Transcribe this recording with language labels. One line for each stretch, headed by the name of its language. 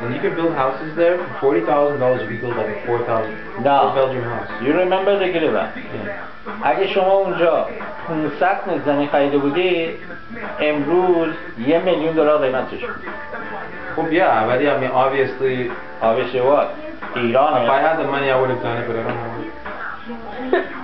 English: And you can build houses there for $40,000 if you build like a 4,000 Belgian house. You remember the Gilovan? Yeah.
Persian: اگه شما اونجا 500 متر زمین خریده بودی امروز $1,000,000 قیمتش بود.
English: خب yeah, but yeah, I mean obviously what? Iran. If I had the money I would have done it, but I don't have it.